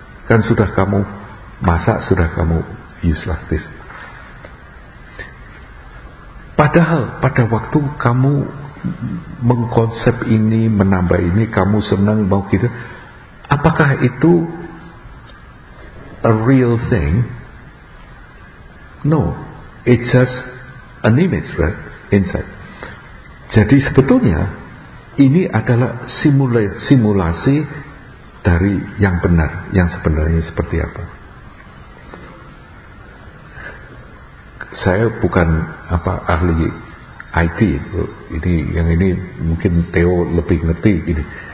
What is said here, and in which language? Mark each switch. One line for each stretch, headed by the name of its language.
Indonesian: Kan sudah kamu masak, sudah kamu
English: use like this.
Indonesian: Padahal pada waktu kamu mengkonsep ini, menambah ini, kamu senang mau gitu, apakah itu
English: a real thing? No, it's just an image, right? Inside.
Indonesian: Jadi sebetulnya ini adalah simulasi dari yang benar, yang sebenarnya seperti apa. Saya bukan apa ahli IT, ini yang ini mungkin Theo lebih ngerti ini.